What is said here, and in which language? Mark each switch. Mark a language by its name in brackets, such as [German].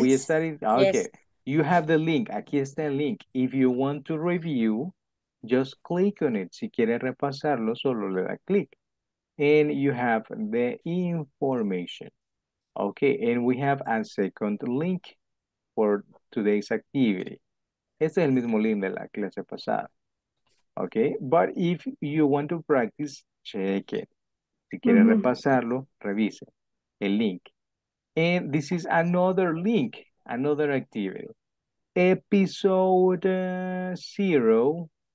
[English] we study? Okay. Yes. You have the link. [Spanish] Aquí está el link. [English] If you want to review, just click on it. [Spanish] Si quiere repasarlo, solo le da click. [English] And you have the information. Okay. And we have a second link for today's activity. [Spanish] Este es el mismo link de la clase pasada. [English] Okay, but if you want to practice, check it. [Spanish] Si quiere repasarlo, revise el link. [English] And this is another link, another activity. episode 0.